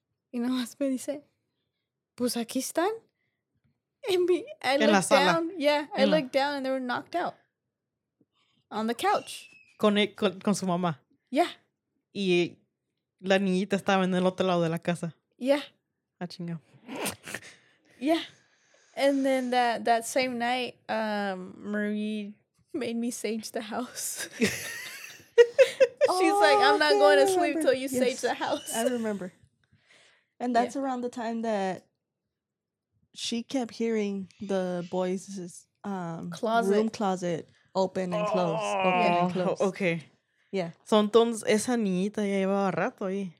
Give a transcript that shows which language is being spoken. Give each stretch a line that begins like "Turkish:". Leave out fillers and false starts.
Spanish: Y nada más me dice, pues aquí están.
English: And I looked down and they were knocked out on the couch.
Spanish: Con su mamá.
English: Yeah.
Spanish: Y la niñita estaba en el otro lado de la casa.
English: Yeah.
Spanish: Ah, chingado.
English: Yeah. And then that same night, Marie made me sage the house. She's like, I'm not going to sleep till you sage the house. I remember. And that's around the time that she kept hearing the boys' room closet open and close. Okay. Yeah.
Spanish: So, entonces, esa niñita ya llevaba rato ahí.